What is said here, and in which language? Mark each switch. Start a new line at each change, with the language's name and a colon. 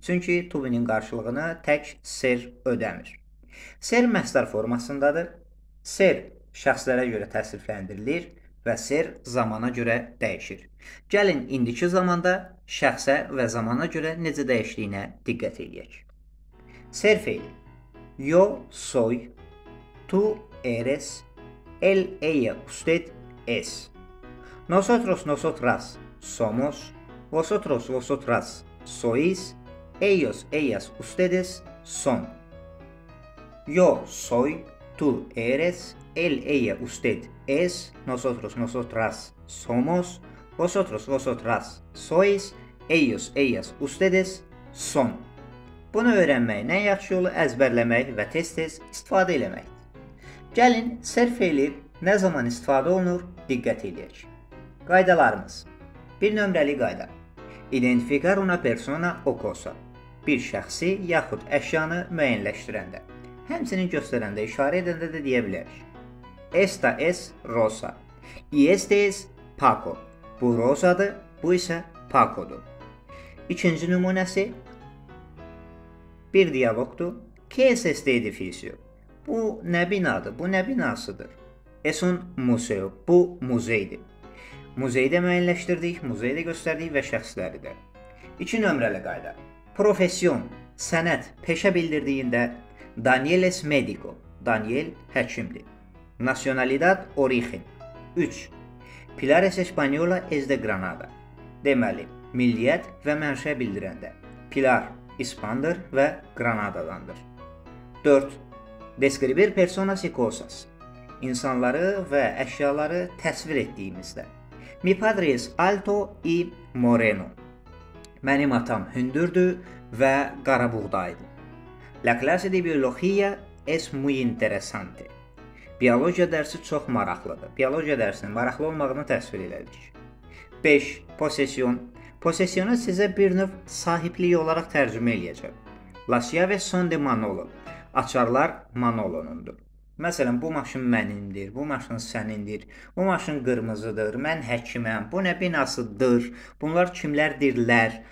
Azerbaijani: Çünki tubinin qarşılığını tək ser ödəmir. Ser məsdər formasındadır. Ser şəxslərə görə təsrifləndirilir və ser zamana görə dəyişir. Gəlin indiki zamanda şəxsə və zamana görə necə dəyişdiyinə diqqət edək. Ser feili.
Spanish: Yo soy, tu eres, el ella usted es. Nosotros, nosotras, somos. Vosotros, vosotras, sois. Ellos, ellas, ustedes, son. Yo soy, tú eres, él, ella, usted es. Nosotros, nosotras, somos. Vosotros, vosotras, sois. Ellos, ellas, ustedes, son.
Azerbaijani: Bunu öğrenmeyi en yaxşı yolu əzbərləmək və tez-tez istifadə eləməkdir. Gəlin, ser feili nə zaman istifadə olunur, diqqət edək. Qaydalarımız. Bir nömrəli qayda.
Spanish: Identificar una persona o cosa.
Azerbaijani: Bir şəxsi yaxud əşyanı müəyyənləşdirəndə. Həmsinin göstərəndə işarə edəndə də deyə bilərik.
Spanish: Esta es Rosa. Y este es Paco.
Azerbaijani: Bu Rosa'dır, bu isə Paco'dur. İkinci nümunəsi. Bir diyalogdur.
Spanish: ¿Qué es este edificio?
Azerbaijani: Bu nə binadır, bu nə binasıdır?
Spanish: Es un museo.
Azerbaijani: Bu muzeydir. Muzeyi də müəyyənləşdirdik, muzeyi də göstərdik və şəxsləri də. İki nömrəli qayda. Profesyon, sənət, peşə bildirdiyində
Spanish: Daniel es médico.
Azerbaijani: Daniel həkimdir.
Spanish: Nacionalidad, origen.
Azerbaijani: 3.
Spanish: Pilar es española, es de Granada.
Azerbaijani: Deməli, milliyyət və mənşə bildirəndə Pilar İspandır və Granadadandır. 4.
Spanish: Describir personas y cosas.
Azerbaijani: İnsanları və əşyaları təsvir etdiyimizdə.
Spanish: Mi padre es alto y moreno.
Azerbaijani: Mənim atam hündürdü və qarabuğdaydı.
Spanish: La clase de biología es muy interesante.
Azerbaijani: Biologiya dərsi çox maraqlıdır. Biologiya dərsinin maraqlı olmağını təsvir elədik. 5. Posesión. Posesiónu sizə bir növ sahiblik olaraq tərcümə eləyəcəm.
Spanish: Las llaves son de Manolo. Açarlar Manolo'nundur.
Azerbaijani: Məsələn, bu maşın mənimdir, bu maşın sənindir, bu maşın qırmızıdır, mən həkiməm, bu nə binasıdır, bunlar kimlərdirlər?